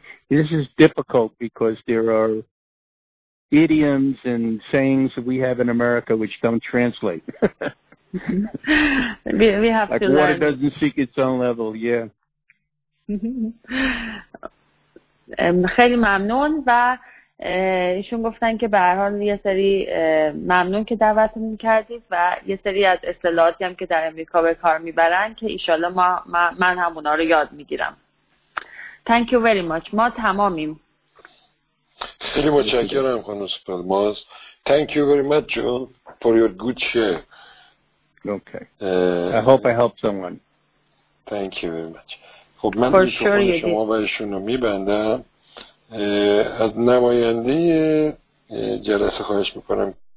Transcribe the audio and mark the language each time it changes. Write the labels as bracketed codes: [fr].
[en] This is difficult because there are idioms and sayings that we have in America which don't translate. we have like to learn. Like water doesn't seek its own level, yeah. [fa] خیلی ممنون و ایشون گفتن که به هر حال یه سری ممنون که دعوتمون کردید و یه سری از اصطلاحاتی هم که در امریکا به کار میبرن که ایشالله من هم اونا رو یاد میگیرم. [en] Thank you very much. [fa] ما تمامیم. خیلی متشکرم خانم سپلماز. [en] Thank you very much John for your good share. Okay. I hope I helped someone. Thank you very much. [fa] خب من میکروفون شما و ایشون رو میبندم. از نماینده جلسه خواهش میکنم.